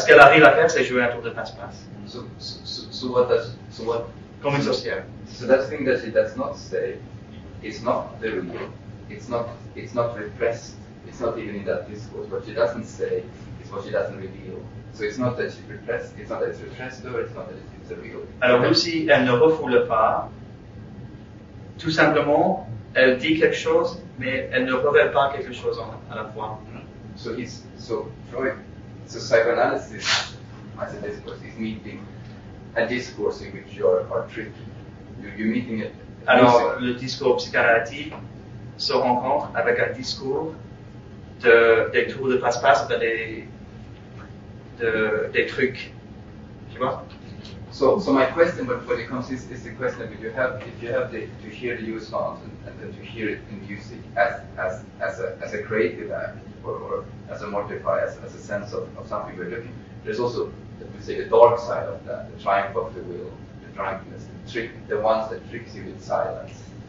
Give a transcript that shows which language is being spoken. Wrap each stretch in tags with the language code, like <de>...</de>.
<fr>Ce qu'elle arrive à faire, c'est jouer un tour de passe-passe.</fr> <en>So what?</en> <fr>Comme une sorcière.</fr> <en>So that thing that she does not say, it's not the real. It's not repressed. It's not even in that discourse. What she doesn't say is what she doesn't reveal. So it's not that she repressed. It's not that it's repressed. Or it's not that it's the real.</en> <fr>Alors Lucy, elle ne refoule pas. Tout simplement, elle dit quelque chose, mais elle ne révèle pas quelque chose à la fois.</fr> <en>So psychoanalysis as a discourse is meeting a discourse in which you are tricked. You're meeting it.</en> <fr>Alors, le discours psychanalytique se rencontre avec un discours des tours de passe-passe, des trucs, tu vois?</fr> <en>So my question when it comes is the question that if you have to hear the use sounds and then to hear it in music as a creative act or as a modifier, as a sense of something we're looking, there's also we say the dark side of that, the triumph of the will, the drunkenness, the trick, the ones that tricks you with silence.</en>